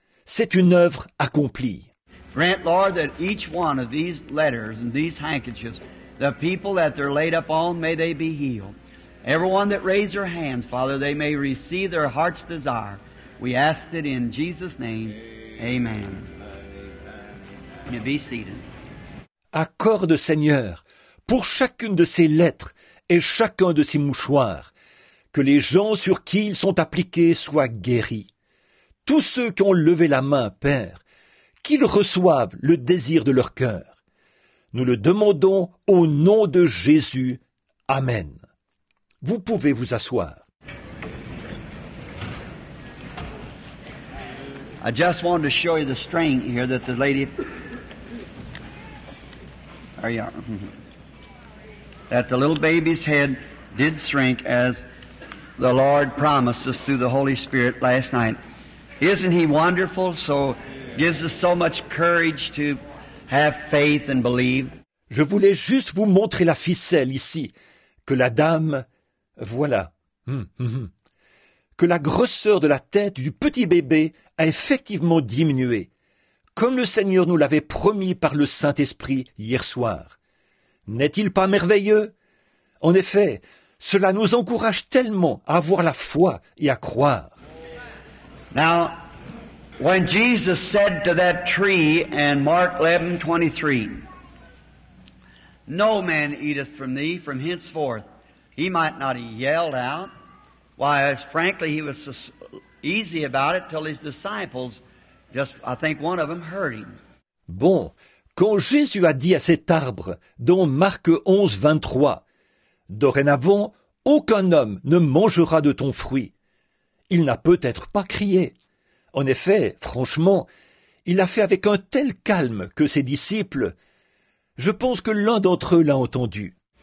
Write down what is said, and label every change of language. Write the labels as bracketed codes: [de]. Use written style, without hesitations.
[fr] C'est une œuvre accomplie. [en] Grant, Lord, that each one of these letters and these handkerchiefs, the people that they're laid up on, may they be healed. Everyone that raised their hands, Father, they may receive their heart's desire. We ask it in Jesus' name. Amen. You be seated. [fr] Accorde, Seigneur, pour chacune de ces lettres et chacun de ces mouchoirs, que les gens sur qui ils sont appliqués soient guéris. Tous ceux qui ont levé la main, Père, qu'ils reçoivent le désir de leur cœur. Nous le demandons au nom de Jésus. Amen. Vous pouvez vous asseoir. [en] I just wanted to show you the string here that the lady. There you are. That the little baby's head did shrink as the Lord promised us through the Holy Spirit last night. Isn't he wonderful? So gives us so much courage to have faith and believe. [fr] Je voulais juste vous montrer la ficelle ici que la dame. Voilà. Que la grosseur de la tête du petit bébé a effectivement diminué, comme le Seigneur nous l'avait promis par le Saint-Esprit hier soir. N'est-il pas merveilleux? En effet, cela nous encourage tellement à avoir la foi et à croire. [en] Now, When Jesus said to that tree in Mark 11:23, "No man eateth from thee from henceforth," he might not have yelled out. Why, as frankly, he was so easy about it till his disciples, just I think one of them, heard him. [fr] Bon, quand Jésus a dit à cet arbre, dans Marc 11:23, « Dorénavant, aucun homme ne mangera de ton fruit », il n'a peut-être pas crié. En effet, franchement, il l'a fait avec un tel calme que ses disciples, je pense que l'un d'entre eux l'a entendu.